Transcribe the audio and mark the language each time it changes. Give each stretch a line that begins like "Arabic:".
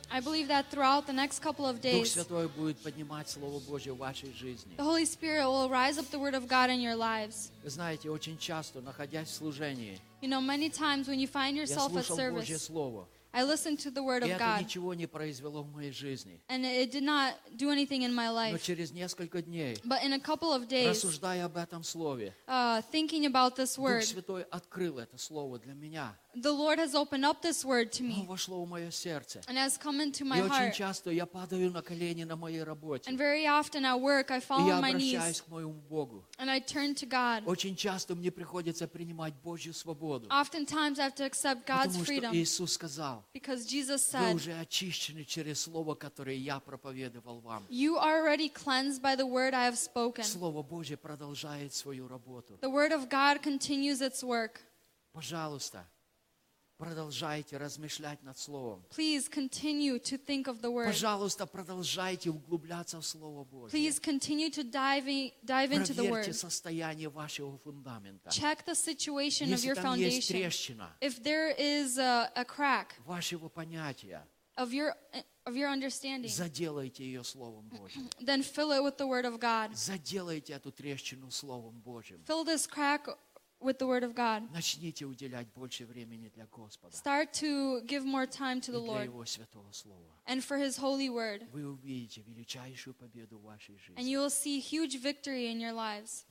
English: I believe that throughout the next couple of days,
Russian: Дух Святой будет поднимать Слово Божье в вашей жизни.
English: The Holy Spirit will rise up the Word of God in your lives.
Russian: Вы знаете, очень часто, находясь в служении,
English: you know, many times when you find yourself at service,
Russian: я слушал Божье Слово.
English: I listened to the word of God.
Russian: Ничего не произвело в моей жизни.
English: And it did not do anything in my life.
Russian: Но через несколько дней,
English: but in a couple of days,
Russian: рассуждая об этом слове,
English: thinking about this word,
Russian: Дух Святой открыл это слово для меня.
English: The Lord has opened up this word to me.
Russian: Оно вошло в мое сердце.
English: And has come into my
Russian: и
English: heart.
Russian: Очень часто я падаю на колени на моей работе.
English: And very often at work I fall on my knees.
Russian: И я обращаюсь к моему Богу.
English: And I turn to God.
Russian: Очень часто мне приходится принимать Божью свободу.
English: Oftentimes I have to accept God's
Russian: потому
English: freedom.
Russian: Что Иисус сказал,
English: because Jesus said,
Russian: вы уже очищены через слово, которое я проповедовал вам.
English: You are already cleansed by the word I have spoken.
Russian: Слово Божье продолжает свою работу.
English: The word of God continues its work.
Russian: Пожалуйста, продолжайте размышлять над Словом.
English: Please continue to think of the word.
Russian: Пожалуйста, продолжайте углубляться в Слово Божье.
English: Please continue to dive into the word.
Russian: Проверьте состояние вашего фундамента.
English: Check the situation
Russian: если
English: of your foundation.
Russian: Если там есть трещина,
English: if there is a crack
Russian: вашего понятия,
English: of your understanding,
Russian: заделайте ее Словом Божьим.
English: Then fill it with the word of God.
Russian: Заделайте эту трещину Словом Божьим.
English: Fill this crack with the word of God.
Russian: Начните уделять больше времени для Господа.
English: Start to give more time to the Lord.
Russian: И для Его святого слова.
English: And for His holy word.
Russian: Вы увидите величайшую победу в вашей жизни.
English: And you will see huge victory in your lives.